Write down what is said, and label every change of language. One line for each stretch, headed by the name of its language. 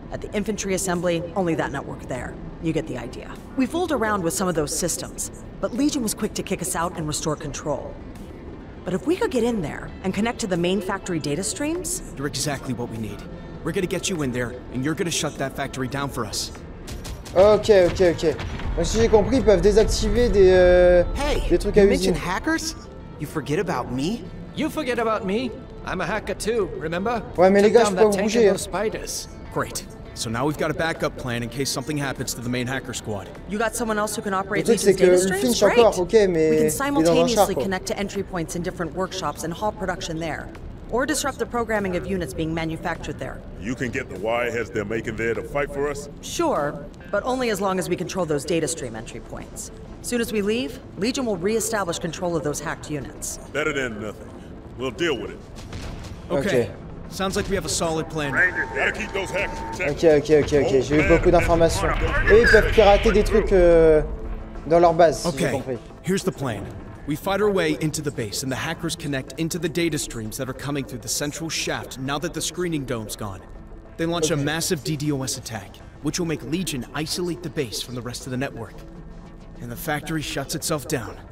English: At the infantry assembly, only that network there. You get the idea. We fooled around with some of those systems, but Legion was quick to kick us out and restore control. But if we could get in there and connect to the main factory data streams... You're exactly what we need. We're gonna get you in there, and you're gonna shut that factory down for us. Ok.
French: Donc, si j'ai compris, ils peuvent désactiver des trucs à usine.
English: Hey, you mentioned hackers? You forget about me? You forget about me? I'm a hacker too, remember?
French: Ouais, mais les gars, je peux pas bouger.
English: Great. So now we've got a backup plan in case something happens to the main hacker squad. You got someone else who can operate these data streams?
French: Le Finch encore, ok, mais...
English: We can simultaneously connect to entry points in different workshops and halt production there. Or disrupt the programming of units being manufactured there. You can get the wireheads they're making there to fight for us? Sure, but only as long as we control those data stream entry points. Soon as we leave, Legion will re-establish control of those hacked units. Better than nothing. We'll deal with it. Okay. Sounds like we have a solid plan. Gotta keep those hacks protected. Okay.
French: J'ai eu beaucoup d'informations. Et ils peuvent pirater des trucs dans leur base, okay. Si j'ai compris.
English: Here's the plan. We fight our way into the base, and the hackers connect into the data streams that are coming through the central shaft now that the screening dome's gone. They launch a massive DDoS attack, which will make Legion isolate the base from the rest of the network. And the factory shuts itself down.